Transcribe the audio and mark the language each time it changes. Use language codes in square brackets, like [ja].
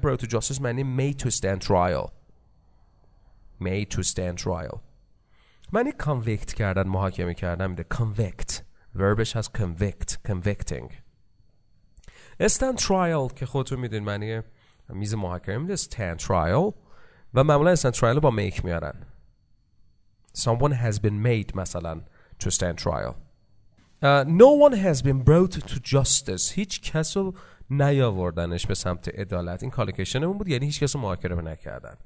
[en] Brought to justice معنی made to stand trial. Made to stand trial معنی convict کردن، [fa] محاکمه کردن. [en] Convict، وربش هست convict، convicting. [fa] Stand trial که خودتون میدونید معنی میز محاکمه. [en] Stand trial [fa] و معمولا [en] stand trial با make میارن. Someone has been made مثلا to stand trial. No one has been brought to justice. [fa] هیچ کسو نیاوردنش به سمت عدالت. این کالکشنمون بود، یعنی هیچ کسو محاکمه نکردن.